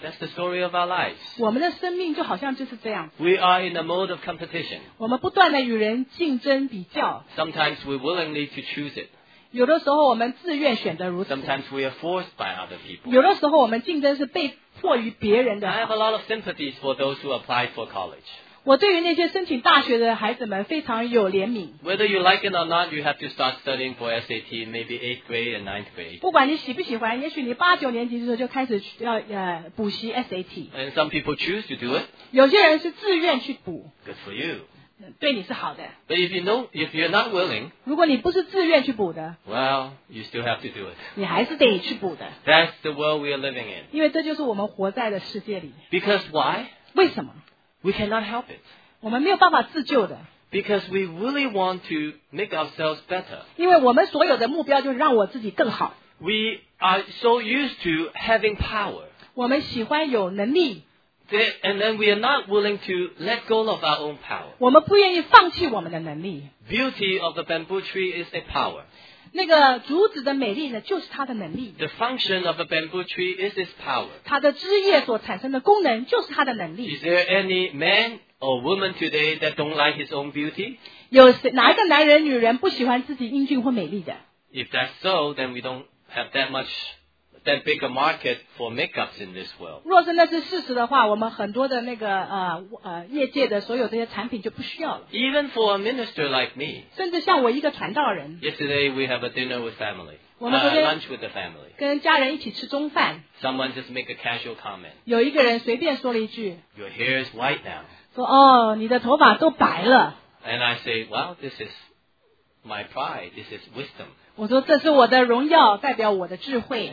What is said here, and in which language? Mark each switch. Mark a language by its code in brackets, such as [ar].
[en] That's the story of our lives. [zh] 我们的生命就好像就是这样。 [en] We are in a mode of competition. [zh] 我们不断地与人竞争比较。 [en] Sometimes we willingly to choose it. [zh] 有的时候我们自愿选择如此。 [en] Sometimes we are forced by other people. [zh] 有的时候我们竞争是被迫于别人的。 [en] I have a lot of sympathies for those who applied for college. [zh] 我对于那些申请大学的孩子们非常有怜悯。 [en] Whether you like it or not, you have to start studying for SAT, maybe 8th grade and 9th grade. [zh] 不管你喜不喜欢，也许你八九年级的时候就开始要补习 SAT. [en] And some people choose to do it. [zh] 有些人是自愿去补。 [en] Good for you. [zh] 对你是好的。 [en] But if you're not willing, [zh] 如果你不是自愿去补的 [en] ，Well, you still have to do it. [zh] 你还是得去补的。 [en] That's the world we are living in. [zh] 因为这就是我们活在的世界里。 [en] Because why? [zh] 为什么？ [en] We cannot help it. [zh] 我们没有办法自救的。 [en] Because we really want to make ourselves better. [zh] 因为我们所有的目标就是让我自己更好。 [en] We are so used to having power. [zh] 我们喜欢有能力。 [en] And then we are not willing to let go of our own power. [zh] 我们不愿意放弃我们的能力。 [en] Beauty of the bamboo tree is a power. [zh] 那个竹子的美丽呢，就是它的能力。 [en] The function of a bamboo tree is its power. [zh] 它的枝叶所产生的功能就是它的能力。 [en] Is there any man or woman today that don't like his own beauty? [zh] 有哪一个男人、女人不喜欢自己英俊或美丽的？ [en] If that's so, then we don't have that much, that big a market for makeups in this world. [zh] 若是那是事实的话，我们很多的那个业界的所有这些产品就不需要了。 [en] Even for a minister like me. [zh] 甚至像我一个传道人。 [en] Yesterday we have a dinner with family. [zh] 我们昨天 [en] lunch with the family. [zh] 跟家人一起吃中饭。 [en] Someone just make a casual comment. [zh] 有一个人随便说了一句。 [en] Your hair is white now. [zh] 说你的头发都白了。 [en] And I say, well, this is my pride. This is wisdom. [zh] 我说这是我的荣耀，代表我的智慧。